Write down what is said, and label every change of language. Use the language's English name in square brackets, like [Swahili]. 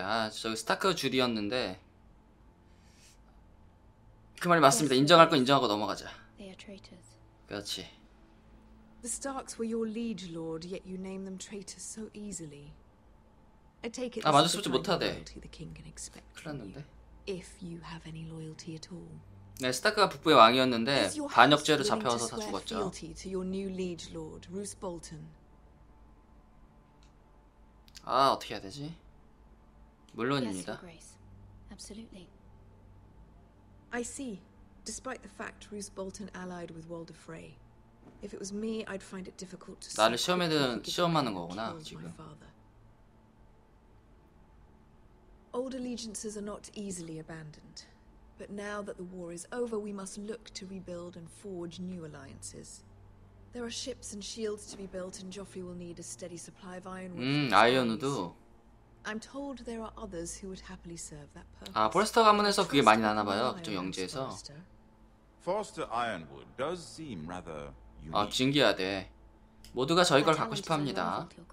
[Korean] 아, 저기 스타크가 줄이었는데. 그 말이 맞습니다. 인정할 건 인정하고 넘어가자. 그렇지. [English] The Starks were your liege lord, yet you name them traitors so easily. I take it that this is the loyalty the king can expect. [Korean] 그랬는데. [English] If you have any loyalty at all. [Korean] 네, 스타크가 북부의 왕이었는데 반역죄로 잡혀와서 다 죽었죠. [English] Is your house to your new liege lord, Roose Bolton? [Korean] 아, 어떻게 해야 되지? 물론입니다. [English] Absolutely. I see. Despite the fact Roose Bolton allied with Walder Frey. If it was me, I'd find it difficult to. [Korean] 나를 시험하는 거구나 지금. [English] Old allegiances are not easily abandoned, but now that the war is over, we must look to rebuild and forge new alliances. There are ships and shields to be built, and Joffrey will need a steady supply of iron. [Korean] 아이언우드. [English] I'm told there are others who would happily serve that purpose. [Korean] 아, 포레스터 가문에서 그게 많이 나나봐요, 그쪽 영지에서. [English] Forster Ironwood does seem rather. [Korean] 아, 신기하대. 모두가 저희 걸 갖고 싶어합니다.